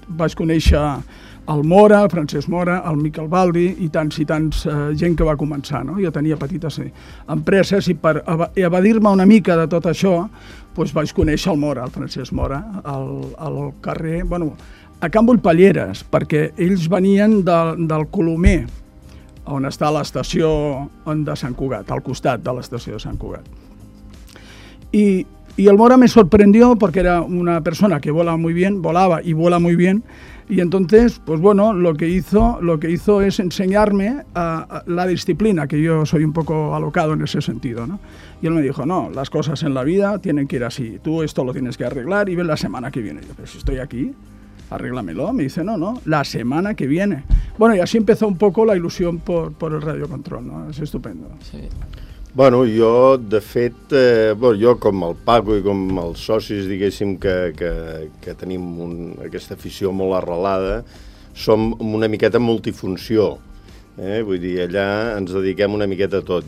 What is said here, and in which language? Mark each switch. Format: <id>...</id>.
<ca>Vaig conèixer el Mora, el Francesc Mora, el Miquel Baldi i tants i tants gent que va començar, no? Jo tenia petites empreses i per evadir-me una mica de tot això, pues vaig conèixer el Mora, el Francesc Mora, al carrer, bueno, a Can Bullpalleres, perquè ells venien del Colomer, on està l'estació de Sant Cugat, al costat de l'estació de Sant Cugat.</ca> <es>I el Mora me sorprendió porque era una persona que</es> <ca>vola</ca> <es>muy bien,</es> <ca>volava</ca> <es>y vuela muy bien, y entonces, pues bueno, lo que hizo es enseñarme a la disciplina, que yo soy un poco alocado en ese sentido, ¿no? Y él me dijo, no, las cosas en la vida tienen que ir así, tú esto lo tienes que arreglar y ven la semana que viene. Yo, pero si estoy aquí, arréglamelo. Me dice, no, la semana que viene. Bueno, y así empezó un poco la ilusión por el radiocontrol, ¿no? Es estupendo. Sí.</es> <ca>Bueno, jo, de fet, jo com el Paco i com els socis, diguéssim, que tenim aquesta afició molt arrelada, som una miqueta multifunció, vull dir, allà ens dediquem una miqueta a tot.</ca>